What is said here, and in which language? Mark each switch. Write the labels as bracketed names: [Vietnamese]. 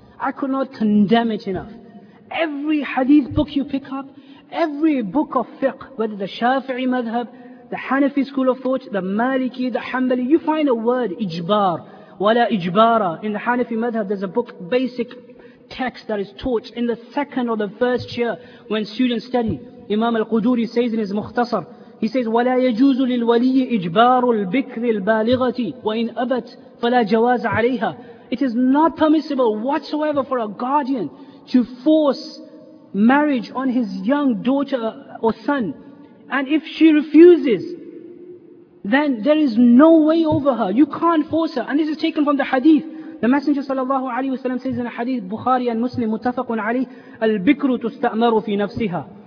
[English] I could not condemn it enough. Every hadith book you pick up, every book of fiqh, whether the Shafi'i madhab, the Hanafi school of thought, the Maliki, the Hanbali, you find a word, ijbar, wala ijbara. In the Hanafi madhab, there's a book, basic text that is taught in the second or the first year when students study. Imam Al-Quduri says in his Mukhtasar, he says, [Arabic] وَلَا يَجُوزُ لِلْوَلِيِّ إِجْبَارُ الْبِكْرِ الْبَالِغَةِ وَإِنْ أَبَتْ فَلَا جَوَازَ عَلَيْهَا. [English] It is not permissible whatsoever for a guardian to force marriage on his young daughter or son. And if she refuses, then there is no way over her. You can't force her. And this is taken from the hadith. The Messenger sallallahu alaihi wasallam says in a hadith, Bukhari and Muslim, muttafaqun alayh, [Arabic] al-bikru tustamaru fi nafsiha.